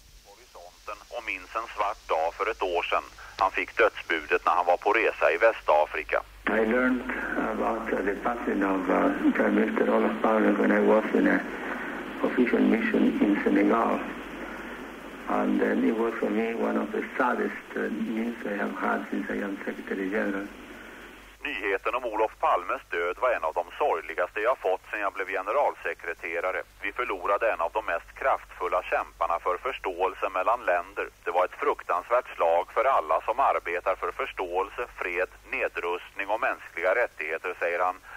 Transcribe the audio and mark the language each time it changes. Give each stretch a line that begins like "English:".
Swedish: Horisonten och minns en svart dag för ett år sedan. Han fick dödsbudet när han var på resa i Västafrika.
English: I learned about the passing of Prime Minister Olof Palme when I was in an official mission in Senegal. And then it was for me one of the saddest news I have had since I am Secretary General.
Swedish: Nyheten om Olof Palmes död var en av de sorgligaste jag fått sedan jag blev generalsekreterare. Vi förlorade en av de mest kraftfulla kämparna för förståelse mellan länder. Det var ett fruktansvärt slag för alla som arbetar för förståelse, fred, nedrustning och mänskliga rättigheter, säger han.